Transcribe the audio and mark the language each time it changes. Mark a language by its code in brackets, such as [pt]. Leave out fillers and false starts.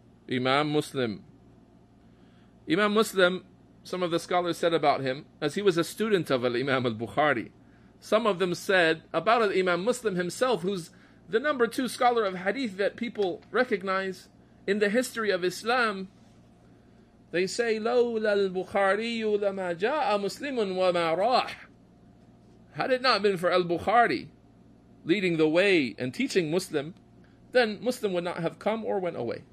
[en] Imam Muslim. Imam Muslim, some of the scholars said about him, as he was a student of Imam al-Bukhari. Some of them said about Imam Muslim himself, who's the number two scholar of hadith that people recognize in the history of Islam. They say, [ar] لَوْلَا الْبُخَارِيُّ لَمَا جَاءَ مُسْلِمٌ وَمَا رَاحْ. [en] Had it not been for al-Bukhari leading the way and teaching Muslim, then Muslim would not have come or went away.